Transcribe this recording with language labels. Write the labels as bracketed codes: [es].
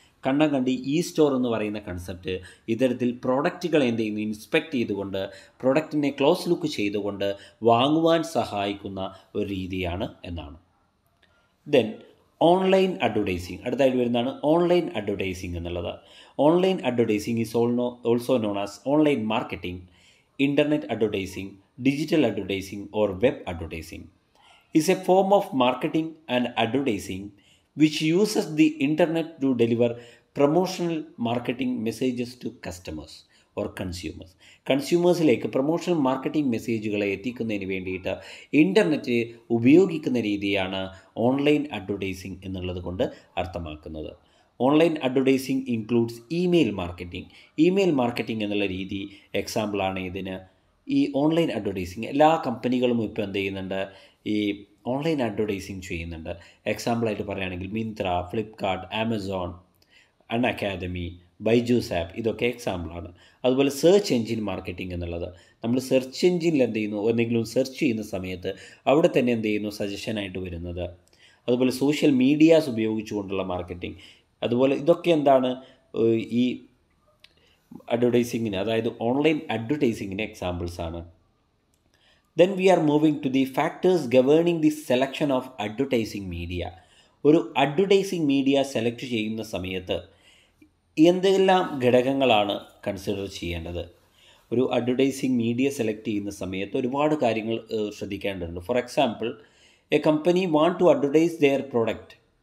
[ml] കണ്ണം കണ്ടി E store എന്ന് പറയുന്ന കൺസെപ്റ്റ് ഇത്തരത്തിൽ പ്രൊഡക്റ്റുകൾ എന്ത് ചെയ്യുന്നു, ഇൻസ്പെക്ട് ചെയ്തുകൊണ്ട്, പ്രൊഡക്റ്റിനെ ക്ലോസ് ലുക്ക് ചെയ്തുകൊണ്ട് വാങ്ങുവാൻ സഹായിക്കുന്ന ഒരു രീതിയാണ് എന്നാണ്. ദെൻ ഓൺലൈൻ അഡ്വർടൈസിങ്, അടുത്തായിട്ട് വരുന്നതാണ് ഓൺലൈൻ അഡ്വർടൈസിങ് എന്നുള്ളത്. [en] Online advertising is also known as online marketing, internet advertising, digital advertising or web advertising. Is a form of marketing and advertising which uses the internet to deliver promotional marketing messages to customers or consumers. [ml] Consumers lake promotional marketing മെസ്സേജുകളെ എത്തിക്കുന്നതിന് വേണ്ടിയിട്ട് internet ഉപയോഗിക്കുന്ന രീതിയാണ് online advertising എന്നുള്ളത് കൊണ്ട് അർത്ഥമാക്കുന്നത്. [en] Online advertising includes email marketing. [ml] Email marketing എന്നുള്ള രീതി എക്സാമ്പിളാണ് ഇതിന്. ഈ ഓൺലൈൻ അഡ്വർടൈസിങ് എല്ലാ കമ്പനികളും ഇപ്പോൾ എന്ത് ചെയ്യുന്നുണ്ട്, ഈ ഓൺലൈൻ അഡ്വർടൈസിങ് ചെയ്യുന്നുണ്ട്. എക്സാമ്പിളായിട്ട് പറയുകയാണെങ്കിൽ മിന്ത്ര, ഫ്ലിപ്കാർട്ട്, ആമസോൺ, അൺഅക്കാദമി, ബൈജൂസ് ആപ്പ്, ഇതൊക്കെ എക്സാമ്പിളാണ്. അതുപോലെ സെർച്ച് എൻജിൻ മാർക്കറ്റിംഗ് എന്നുള്ളത്, നമ്മൾ സെർച്ച് എൻജിനിൽ എന്ത് ചെയ്യുന്നു, എന്തെങ്കിലും സെർച്ച് ചെയ്യുന്ന സമയത്ത് അവിടെ തന്നെ എന്ത് ചെയ്യുന്നു, സജഷനായിട്ട് വരുന്നത്. അതുപോലെ സോഷ്യൽ മീഡിയാസ് ഉപയോഗിച്ചുകൊണ്ടുള്ള മാർക്കറ്റിംഗ്. അതുപോലെ ഇതൊക്കെ എന്താണ് ഈ അഡ്വർടൈസിങ്ങിന്, അതായത് online അഡ്വർടൈസിങ്ങിന് എക്സാമ്പിൾസാണ്. [en] Then we are moving to the factors governing the selection of advertising media. [ml] ഒരു അഡ്വർടൈസിങ് മീഡിയ സെലക്ട് ചെയ്യുന്ന സമയത്ത് എന്തെല്ലാം ഘടകങ്ങളാണ് കൺസിഡർ ചെയ്യേണ്ടത്. ഒരു അഡ്വർടൈസിങ് മീഡിയ സെലക്ട് ചെയ്യുന്ന സമയത്ത് ഒരുപാട് കാര്യങ്ങൾ ശ്രദ്ധിക്കേണ്ടതുണ്ട്. [en] For example, a company want to advertise their product.